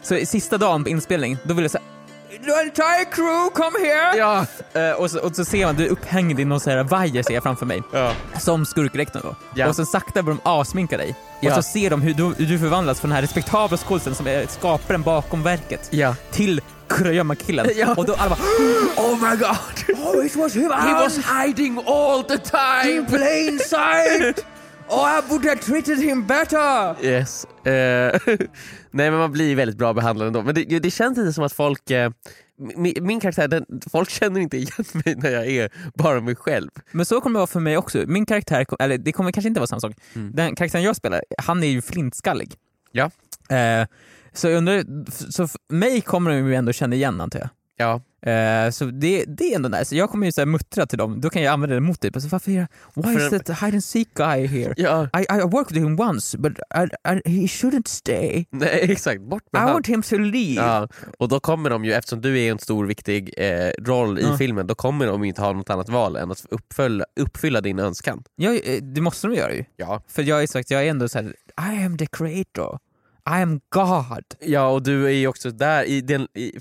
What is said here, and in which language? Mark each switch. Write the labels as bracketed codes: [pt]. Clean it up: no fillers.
[sv] Så sista dagen på inspelning, då vill jag säga, [en] the entire crew, come here! [sv] Ja. Och så ser man, du är upphängd i någon sån här vajer, ser jag framför mig. Ja. Som skurkrektorn då. Ja. Och så sakta börjar de avsminka dig. Ja. Och så ser de hur du förvandlas från den här respektabla skådespelaren som är skaparen bakom verket. Ja. Till kurragömma killen. Ja. Och då alla bara, [en] oh my god! Oh, it was him! He was hiding all the time! In plain sight! Oh, I would have treated him better! Yes. [sv] Nej, men man blir väldigt bra behandlad ändå. Men det känns inte som att folk... Min karaktär, folk känner inte igen mig när jag är bara mig själv. Men så kommer det vara för mig också. Min karaktär, eller det kommer kanske inte vara samma sak. Den karaktären jag spelar, han är ju flintskallig. Ja. Så mig kommer de ju ändå känna igen, antar jag. Ja. Så det är ändå nice. Jag kommer ju såhär muttra till dem. Då kan jag använda det mot dig. Alltså, varför är [en] why is that hide and seek guy here? Yeah. I worked with him once, but he shouldn't stay. [sv] Nej, exakt. Bort med [en] I want him to leave. [sv] Ja. Och då kommer de ju, eftersom du är en stor viktig roll i filmen, då kommer de ju inte ha något annat val än att uppfylla din önskan. Ja, det måste de göra ju. Ja. För jag är sagt, jag är ändå såhär, [en] I am the creator. I am God. [sv] Ja, och du är ju också där.